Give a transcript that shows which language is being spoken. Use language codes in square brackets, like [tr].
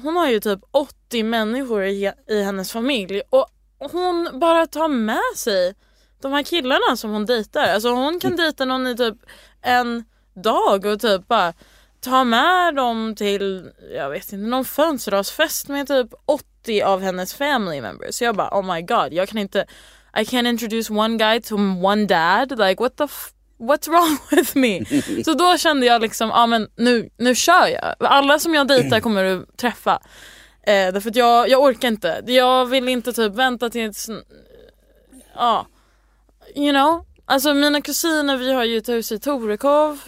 [sv] Hon har ju typ 80 människor i hennes familj. Och hon bara tar med sig de här killarna som hon dejtar. Alltså hon kan dejta någon i typ en dag och typ bara ta med dem till, jag vet inte, någon fönsterhållsfest med typ 80 av hennes [en] family members. [sv] Så jag bara, [en] oh my god, [sv] jag kan inte, [en] I can't introduce one guy to one dad, like what the What's wrong with me? [sv] Så då kände jag liksom, ja men nu kör jag. Alla som jag dejtar kommer du träffa. Därför att jag orkar inte. Jag vill inte typ vänta till ett [en] you know? [sv] Alltså mina kusiner, vi har ju ett hus i Torekov.